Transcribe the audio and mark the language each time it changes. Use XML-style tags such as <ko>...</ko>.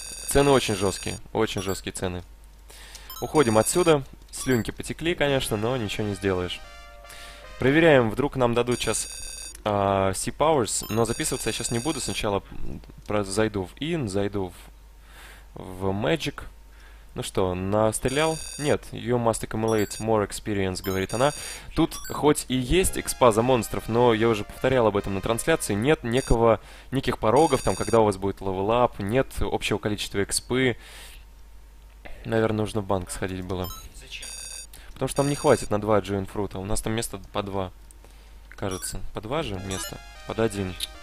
<ru>Цены очень жесткие цены. Уходим отсюда, слюнки потекли, конечно, но ничего не сделаешь. Проверяем, вдруг нам дадут сейчас... Sea Powers, но записываться я сейчас не буду. Сначала зайду в Inn, зайду в Magic. Ну что, настрелял? Нет,</ru> <en>you must accumulate more experience,</en> <ru>говорит она. Тут хоть и есть экспа за монстров, но я уже повторял об этом на трансляции. Нет некого, никаких порогов, там, когда у вас будет level up, нет общего количества экспы. Наверное, нужно в банк сходить было. Зачем? Потому что там не хватит на 2 Джуин Фрута, у нас там место по 2. Кажется, по 2 же места, под 1.</ru>